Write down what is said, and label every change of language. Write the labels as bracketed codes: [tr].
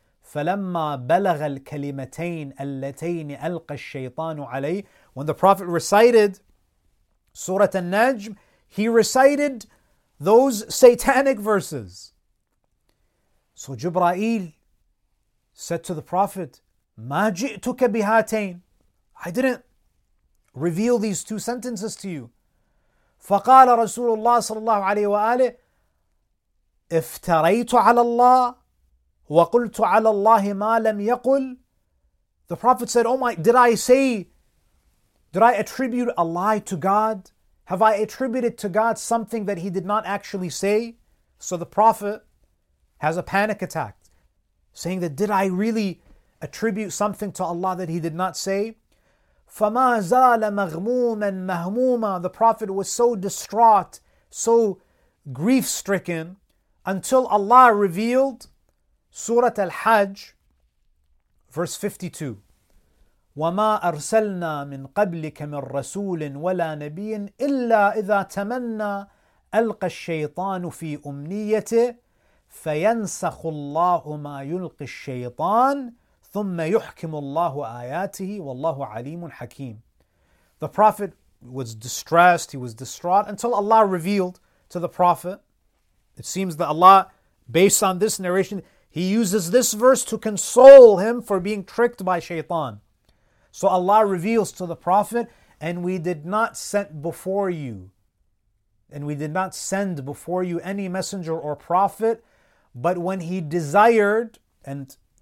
[ar] فَلَمَّا بَلَغَ الْكَلِمَتَيْنِ اللَّتَيْنِ أَلْقَ الشَّيْطَانُ عَلَيْهِ [en] When the Prophet recited Surah An-Najm, he recited those satanic verses. So Jibra'il said to the Prophet, [ar] مَا جِئْتُكَ بِهَاتَيْنِ [en] I didn't reveal these two sentences to you. [ar] فَقَالَ رَسُولُ اللَّهِ صَلَى اللَّهُ عَلَيْهِ وَآلِهِ افْتَرَيْتُ عَلَى اللَّهِ وَقُلْتُ عَلَى اللَّهِ مَا لَمْ يَقُلْ [en] The Prophet said, Oh my, did I attribute a lie to God? Have I attributed to God something that he did not actually say? So the Prophet has a panic attack, saying that, did I really attribute something to Allah that he did not say? [ar] فَمَا زَالَ مَغْمُومًا مَهْمُومًا [en] The Prophet was so distraught, so grief-stricken, until Allah revealed Surah Al-Hajj, verse 52. [ar] وَمَا أَرْسَلْنَا مِنْ قَبْلِكَ مِنْ رَسُولٍ وَلَا نَبِيٍ إِلَّا إِذَا تَمَنَّا أَلْقَى الشَّيْطَانُ فِي أُمْنِيَتِهِ فَيَنْسَخُ اللَّهُ مَا يُلْقِي الشَّيْطَانُ ثُمَّ يُحْكِمُ اللَّهُ آيَاتِهِ وَاللَّهُ عَلِيمٌ حَكِيمٌ [en] The Prophet was distressed, he was distraught, until Allah revealed to the Prophet. It seems that Allah, based on this narration, He uses this verse to console him for being tricked by shaitan. So Allah reveals to the Prophet, and we did not send before you any messenger or prophet, but when he desired, and